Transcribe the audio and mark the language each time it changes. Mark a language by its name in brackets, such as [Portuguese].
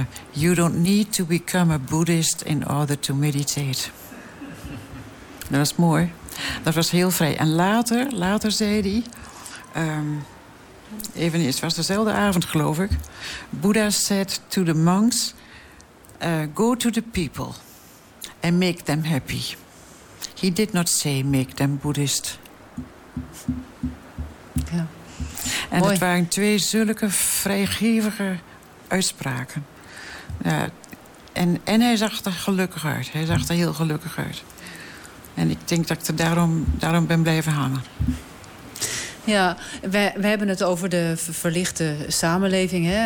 [English] You don't need to become a Buddhist in order to meditate. [Dutch] Dat was mooi. Dat was heel vrij. En later zei hij, het was dezelfde avond, geloof ik. [English] Buddha said to the monks, go to the people and make them happy. He did not say make them Buddhist. [Dutch] Ja. En het waren twee zulke vrijgevige uitspraken. Ja, en hij zag er gelukkig uit. Hij zag er heel gelukkig uit. En ik denk dat ik er daarom ben blijven hangen. Ja, we hebben het over de verlichte samenleving. Hè?